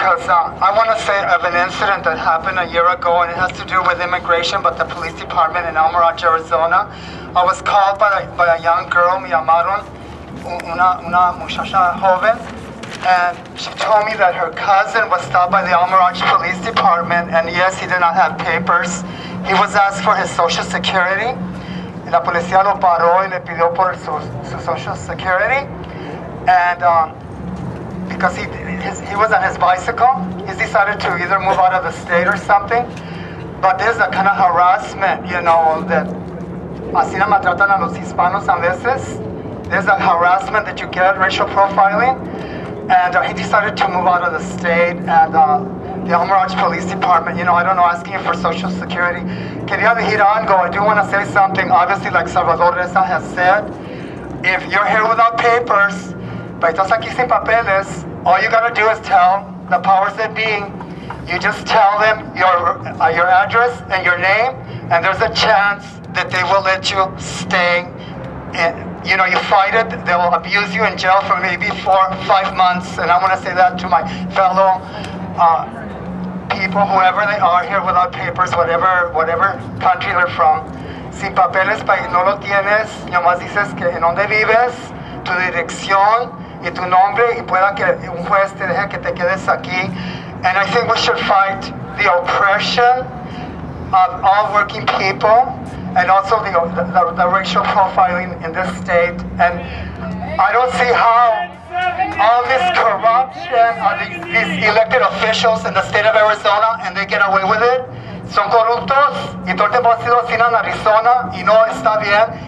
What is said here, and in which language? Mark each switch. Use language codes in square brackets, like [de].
[en] because I want to say of an incident that happened a year ago, and it has to do with immigration, but the police department in Almirante, Arizona. I was called by a young girl, [es] me llamaron, una muchacha joven, [en] and she told me that her cousin was stopped by the Almirante Police Department, and yes, he did not have papers. He was asked for his social security. [es] La policía lo paró y le pidió por su social security. [en] And because he was on his bicycle, he decided to either move out of the state or something. But this is a kind of harassment, you know, that [es] así no maltratan a los hispanos a veces. [en] There's a harassment that you get, racial profiling. And he decided to move out of the state, and the Almirante Police Department, you know, I don't know, asking for social security. [es] Quería dejar algo. [en] I do want to say something. Obviously, like Salvador Reza has said, if you're here without papers, [es] pero estás aquí sin papeles, [en] all you got to do is tell the powers that be. You just tell them your address and your name, and there's a chance that they will let you stay. And, you know, you fight it, they will abuse you in jail for maybe 4 or 5 months. And I want to say that to my fellow people, whoever they are here without papers, whatever country they're from. [es] Sin papeles, pa' no lo tienes, nomás dices que en donde vives, tu dirección y tu nombre, y pueda que un juez te deje que te quedes aquí. [en] And I think we should fight the oppression of all working people, and also the racial profiling in this state. And I don't see how all this corruption of these elected officials in the state of Arizona, and they get away with it. [es] Son corruptos, y todo el tiempo ha sido así en Arizona, y no está bien.